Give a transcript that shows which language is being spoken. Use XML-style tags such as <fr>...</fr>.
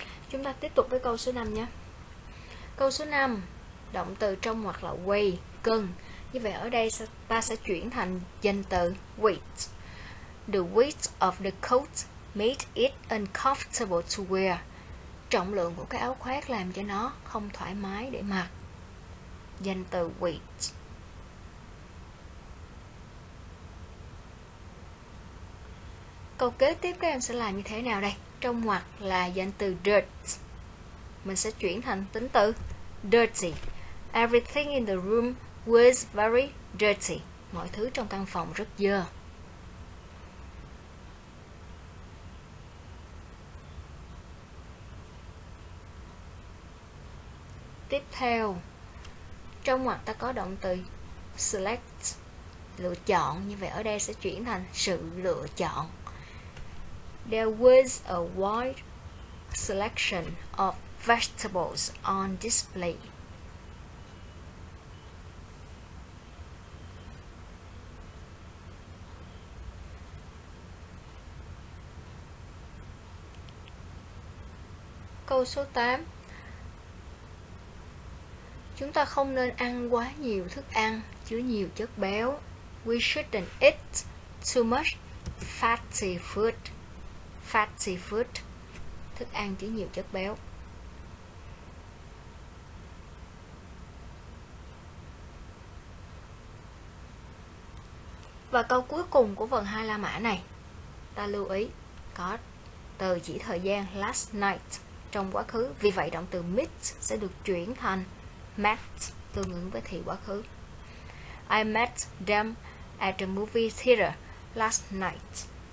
<vi>Chúng ta tiếp tục với câu số 5 nhé. Câu số 5, động từ trong hoặc là weigh, cân. Như vậy ở đây ta sẽ chuyển thành danh từ weight.</vi> <en>The weight of the coat made it uncomfortable to wear.</en> <vi>Trọng lượng của cái áo khoác làm cho nó không thoải mái để mặc. Danh từ weight. Câu kế tiếp các em sẽ làm như thế nào đây? Trong ngoặc là danh từ dirt. Mình sẽ chuyển thành tính từ dirty.</vi> <en>Everything in the room was very dirty.</en> <vi>Mọi thứ trong căn phòng rất dơ. Tiếp theo, trong ngoặc ta có động từ select, lựa chọn. Như vậy ở đây sẽ chuyển thành sự lựa chọn.</vi> <en>There was a wide selection of vegetables on display.</en> <vi>Câu số 8. Chúng ta không nên ăn quá nhiều thức ăn chứa nhiều chất béo.</vi> <en>We shouldn't eat too much fatty food.</en> <vi>Fatty food, thức ăn chứa nhiều chất béo. Và câu cuối cùng của vần hai La Mã này, ta lưu ý có từ chỉ thời gian last night trong quá khứ, vì vậy động từ meet sẽ được chuyển thành met, tương ứng với thị quá khứ.</vi> <en>I met them at the movie theater last night.</en>